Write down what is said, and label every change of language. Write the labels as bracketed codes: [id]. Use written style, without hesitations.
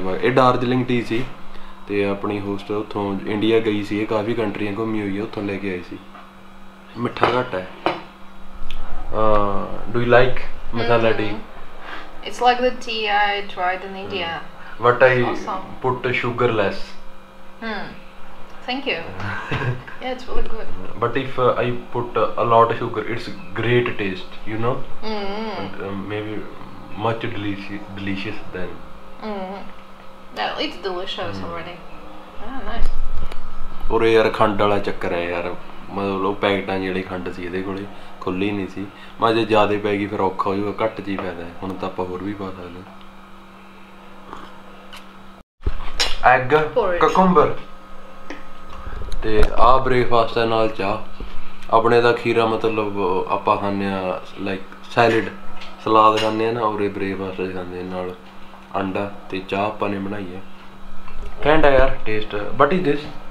[pa] Darjeeling T ਸੀ ਤੇ ਆਪਣੀ host ਉੱਥੋਂ ਇੰਡੀਆ ਗਈ ਸੀ ਕਾਫੀ ਕੰਟਰੀਆਂ ਘੁੰਮੀ ਹੋਈ ਉੱਥੋਂ ਲੈ ਕੇ ਆਏ ਸੀ ਮਿੱਠਾ ਘੱਟ ਹੈ [en] do you like masala tea it's like the tea I tried in india but I awesome. Put the sugar less thank you yeah it's really good but if I put a lot of sugar it's great taste you know maybe much delicious then that it's delicious already nice [pa] ore yaar khand wala chakkar hai yaar ਮਤਲਬ ਉਹ ਪੈਕਟਾਂ ਜਿਹੜੀ ਖੰਡ ਸੀ ਇਹਦੇ ਕੋਲ ਖੁੱਲ੍ਹੀ ਨਹੀਂ ਸੀ ਮੈਂ ਜੇ ਜ਼ਿਆਦਾ ਪੈ ਗਈ ਫਿਰ ਔਖਾ ਹੋ ਜਾਊਗਾ ਘੱਟ ਜਿਹੀ ਫਾਇਦਾ ਹੁਣ ਤਾਂ ਆਪਾਂ ਹੋਰ ਵੀ ਪਾ ਸਕਦੇ ਹਾਂ ਐਗ ਕਕੁੰਬਰ ਅਤੇ ਆਹ ਬ੍ਰੇਕਫਾਸਟ ਹੈ ਨਾਲ ਚਾਹ ਆਪਣੇ ਤਾਂ ਖੀਰਾ ਮਤਲਬ ਆਪਾਂ ਖਾਂਦੇ ਹਾਂ ਲਾਈਕ ਸੈਲਡ ਸਲਾਦ ਖਾਂਦੇ ਹਾਂ ਨਾ ਉਰੇ ਬ੍ਰੇਕਫਾਸਟ 'ਚ ਖਾਂਦੇ ਨਾਲ ਅੰਡਾ ਅਤੇ ਚਾਹ ਆਪਾਂ ਨੇ ਬਣਾਈ ਹੈ ਕਹਿੰਡ ਹੈ ਯਾਰ [en] test but is this